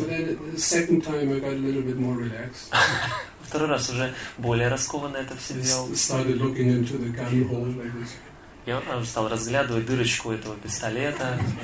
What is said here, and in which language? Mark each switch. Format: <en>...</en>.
<en>But then, the second time I got a little bit more relaxed.</en> <ru>Второй раз уже более раскованно это все делал.</ru> <en>Started looking into the gun hole like this.</en> <ru>Я стал разглядывать дырочку этого пистолета.</ru>